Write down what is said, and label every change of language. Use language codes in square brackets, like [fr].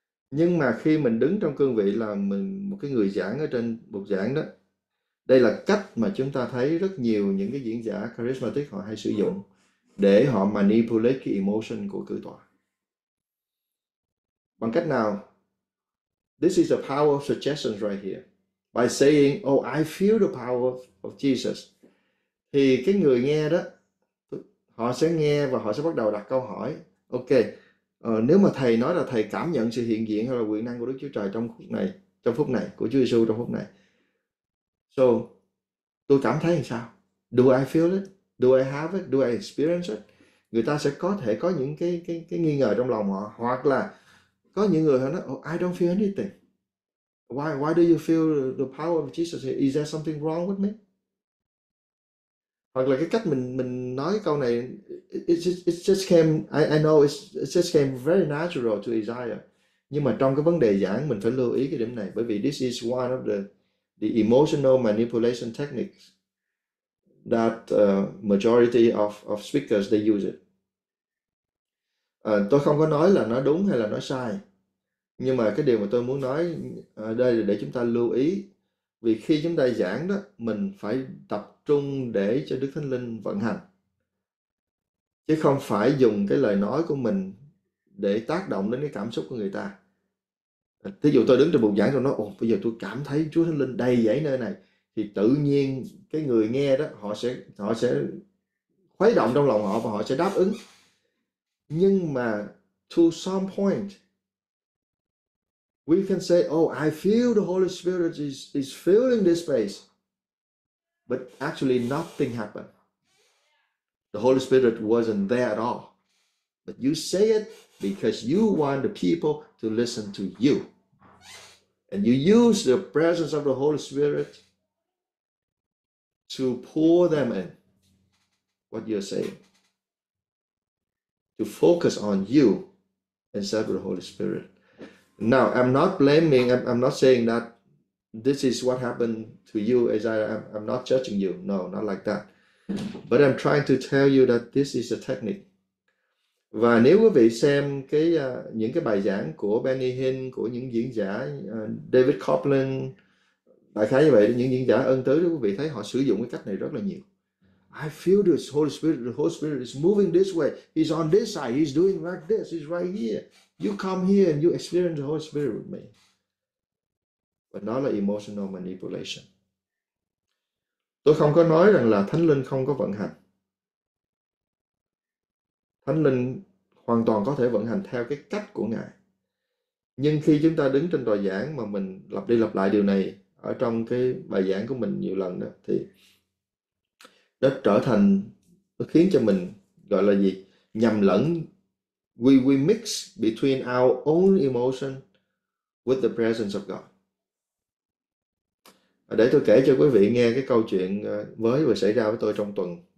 [vi] Nhưng mà khi mình đứng trong cương vị là mình một cái người giảng ở trên bục giảng đó, đây là cách mà chúng ta thấy rất nhiều những cái diễn giả charismatic họ hay sử dụng để họ manipulate cái emotion của cử tọa. Bằng cách nào? [en] This is the power of suggestion right here. By saying, oh, I feel the power of Jesus. [vi] Thì cái người nghe đó, họ sẽ nghe và họ sẽ bắt đầu đặt câu hỏi. Ok, nếu mà thầy nói là thầy cảm nhận sự hiện diện hay là quyền năng của Đức Chúa Trời trong phút này, của Chúa Giêsu trong phút này. [en] So, [vi] tôi cảm thấy làm sao? [en] Do I feel it? Do I have it? Do I experience it? [vi] Người ta sẽ có thể có những cái nghi ngờ trong lòng họ, hoặc là có những người họ nói, [en] oh, I don't feel anything. Why do you feel the power of Jesus? Is there something wrong with me? [vi] Hoặc là cái cách mình nói cái câu này, [en] it just came, I know it just came very natural to Isaiah. [vi] Nhưng mà trong cái vấn đề giảng mình phải lưu ý cái điểm này, bởi vì [en] this is one of the emotional manipulation techniques that majority of speakers they use it. [vi] Tôi không có nói là nó đúng hay là nó sai. Nhưng mà cái điều mà tôi muốn nói đây là để chúng ta lưu ý, vì khi chúng ta giảng đó mình phải tập trung để cho Đức Thánh Linh vận hành, chứ không phải dùng cái lời nói của mình để tác động đến cái cảm xúc của người ta. Thí dụ tôi đứng trên bục giảng tôi nói ồ bây giờ tôi cảm thấy Chúa Thánh Linh đầy dẫy nơi này, thì tự nhiên cái người nghe đó họ sẽ khuấy động trong lòng họ và họ sẽ đáp ứng. Nhưng mà [en] to some point we can say, oh, I feel the Holy Spirit is filling this space. But actually nothing happened. The Holy Spirit wasn't there at all. But you say it, Because you want the people to listen to you. And you use the presence of the Holy Spirit to pull them in, what you're saying, to focus on you instead of the Holy Spirit. Now, I'm not blaming, I'm not saying that this is what happened to you, as I'm not judging you. No, not like that. But I'm trying to tell you that this is a technique. [vi] Và nếu quý vị xem cái những cái bài giảng của Benny Hinn, của những diễn giả David Copeland, đại khái như vậy, những diễn giả ân tứ, quý vị thấy họ sử dụng cái cách này rất là nhiều. [en] I feel the Holy Spirit is moving this way. He's on this side. He's doing like this. He's right here. You come here and you experience the Holy Spirit with me. But not like emotional manipulation. [vi] Tôi không có nói rằng là Thánh Linh không có vận hành. Thánh Linh hoàn toàn có thể vận hành theo cái cách của Ngài. Nhưng khi chúng ta đứng trên tòa giảng mà mình lặp đi lặp lại điều này ở trong cái bài giảng của mình nhiều lần đó, thì nó trở thành, nó khiến cho mình gọi là gì? Nhầm lẫn. [en] We mix between our own emotion with the presence of God. [vi] Để tôi kể cho quý vị nghe cái câu chuyện mới vừa xảy ra với tôi trong tuần.